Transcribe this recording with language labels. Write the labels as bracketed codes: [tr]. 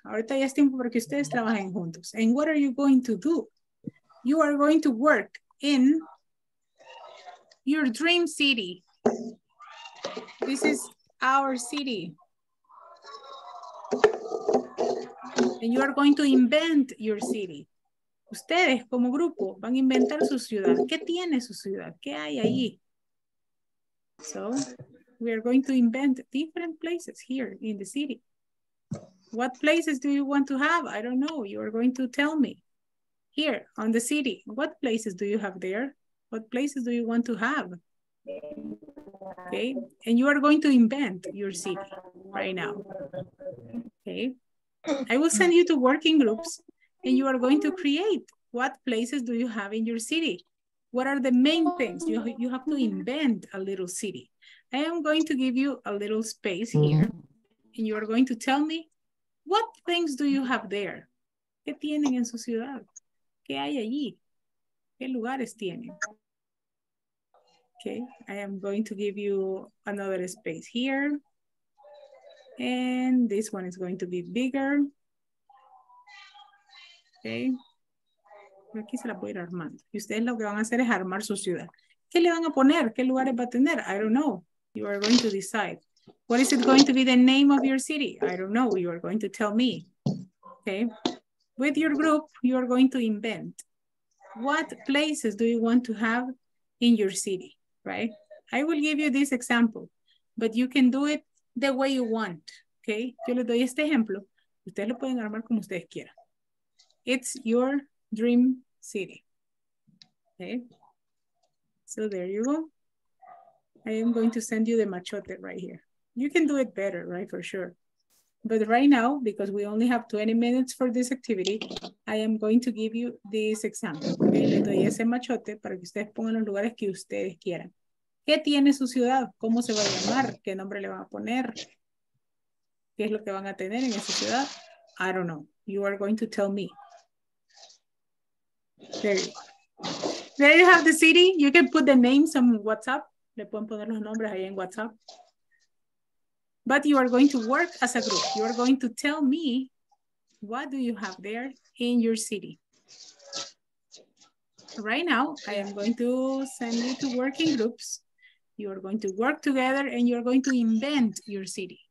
[es] Ahorita ya es tiempo porque ustedes trabajen juntos. [en] And what are you going to do? You are going to work in your dream city. This is our city. And you are going to invent your city. [es] Ustedes como grupo van a inventar su ciudad. ¿Qué tiene su ciudad? ¿Qué hay allí? [en] So, we are going to invent different places here in the city. What places do you want to have? I don't know. You are going to tell me. Here, on the city, what places do you have there? What places do you want to have? Okay, and you are going to invent your city right now. Okay, I will send you to working groups and you are going to create. What places do you have in your city? What are the main things? You have to invent a little city. I am going to give you a little space here and you are going to tell me what things do you have there? [es] ¿Qué tienen en su ciudad? ¿Qué hay allí? ¿Qué lugares tienen? [en] Okay, I am going to give you another space here. And this one is going to be bigger. [es] Okay. Aquí se la voy a ir armando. Y ustedes lo que van a hacer es armar su ciudad. ¿Qué le van a poner? ¿Qué lugares va a tener? [en] I don't know. You are going to decide. What is it going to be the name of your city? I don't know. You are going to tell me. Okay. With your group, you are going to invent. What places do you want to have in your city? Right? I will give you this example, but you can do it the way you want, okay? [es] Yo les doy este ejemplo. Ustedes lo pueden armar como ustedes quieran. [en] It's your dream city, okay? So there you go. I am going to send you the machote right here. You can do it better, right, for sure. But right now, because we only have 20 minutes for this activity, I am going to give you this example. [es] Okay, le doy ese machote para que ustedes pongan los lugares que ustedes quieran. ¿Qué tiene su ciudad? ¿Cómo se va a llamar? ¿Qué nombre le van a poner? ¿Qué es lo que van a tener en esa ciudad? [en] I don't know. You are going to tell me. There you have the city. You can put the names on WhatsApp. [es] Le pueden poner los nombres ahí en WhatsApp. [en] But you are going to work as a group. You are going to tell me what do you have there in your city. Right now, I am going to send you to working groups. You are going to work together and you're going to invent your city.